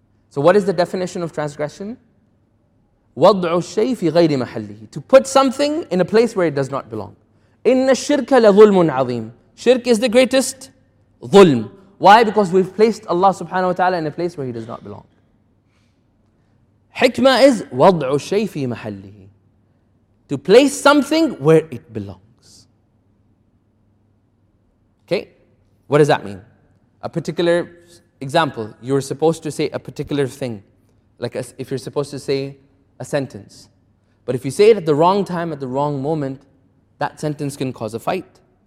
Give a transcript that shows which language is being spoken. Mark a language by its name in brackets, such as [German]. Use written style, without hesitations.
[English] So what is the definition of transgression? [Arabic] وَضْعُ الشَّيْءِ فِي غَيْرِ مَحَلِّهِ. [English] To put something in a place where it does not belong. [Arabic] إِنَّ الشِّرْكَ لَظُلْمٌ عَظِيمٌ. [English] Shirk is the greatest ظُلْم. Why? Because we've placed Allah subhanahu wa ta'ala in a place where He does not belong. Hikmah is [Arabic] وَضْعُ الشَّيْءِ فِي مَحَلِّهِ. [English] To place something where it belongs. Okay? What does that mean? A particular example. You're supposed to say a particular thing. Like if you're supposed to say a sentence. But if you say it at the wrong time, at the wrong moment, that sentence can cause a fight.